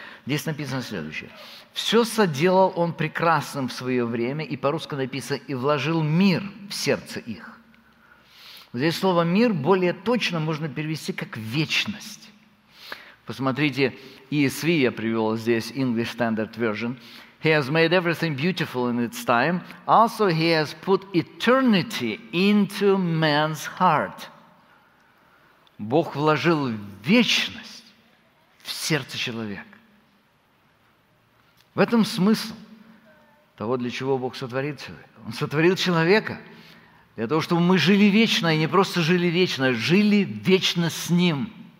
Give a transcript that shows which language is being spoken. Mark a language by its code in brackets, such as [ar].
[ru] Здесь написано следующее. «Все соделал он прекрасным в свое время», и по-русски написано, «и вложил мир в сердце их». Здесь слово «мир» более точно можно перевести как «вечность». Посмотрите, ESV я привел здесь, English Standard Version. [en] «He has made everything beautiful in its time. Also, he has put eternity into man's heart». [ru] Бог вложил вечность в сердце человека. В этом смысл того, для чего Бог сотворил человека. Он сотворил человека для того, чтобы мы жили вечно, и не просто жили вечно, а жили вечно с Ним.